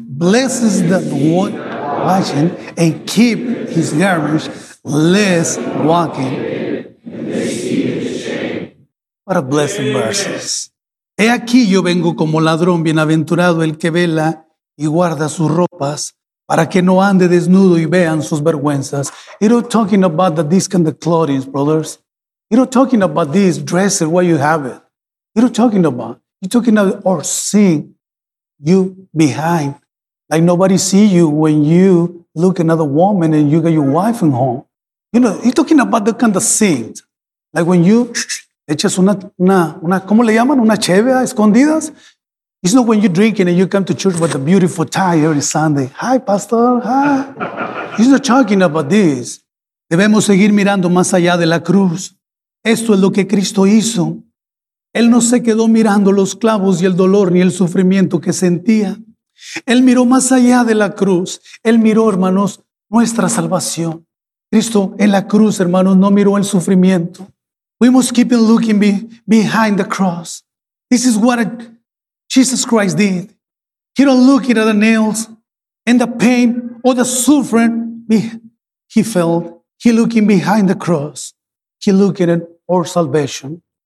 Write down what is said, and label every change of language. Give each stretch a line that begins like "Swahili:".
English: Blessed is the one watching and keep his garments, lest walking. What a blessing verses.
Spanish: He aquí yo vengo como ladrón, bienaventurado el que vela y guarda sus ropas, para que no ande desnudo y vean sus vergüenzas.
English: You know, talking about the discounted clothing, brothers. You know, talking about this dress and what you have it. You know, talking about, you're talking about or seeing you behind. Like nobody see you when you look another woman and you got your wife in home. You know, you're talking about the kind of things. Like when you
Spanish: echas una, ¿cómo le llaman? Una cheve a escondidas.
English: It's not when you're drinking and you come to church with a beautiful tie every Sunday. Hi, pastor. Hi. He's not talking about this.
Spanish: Debemos seguir mirando más allá de la cruz. Esto es lo que Cristo hizo. Él no se quedó mirando los clavos y el dolor ni el sufrimiento que sentía. Él miró más allá de la cruz. Él miró, hermanos, nuestra salvación. Cristo en la cruz, hermanos, no miró el sufrimiento.
English: We must keep on looking behind the cross. This is what Jesus Christ did. He don't look at the nails and the pain or the suffering he felt. He looking behind the cross. He looking at our salvation.